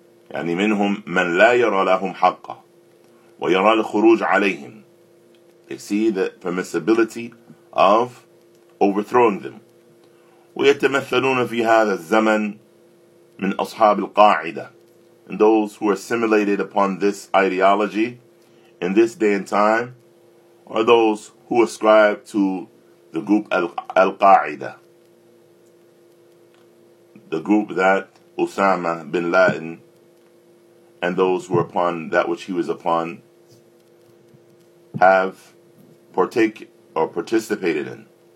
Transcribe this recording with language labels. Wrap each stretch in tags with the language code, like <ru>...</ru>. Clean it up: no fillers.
<ar>يعني منهم من لا يرى لهم حقا ويرى الخروج عليهم.</ar> <en>They see the permissibility of overthrowing them.</en> <ar>ويتمثلون في هذا الزمن من أصحاب القاعدة.</ar> <en>And those who are assimilated upon this ideology in this day and time are those who ascribe to the group Al-Qaeda, the group that Osama bin Laden and those who are upon that which he was upon have participated in.</en>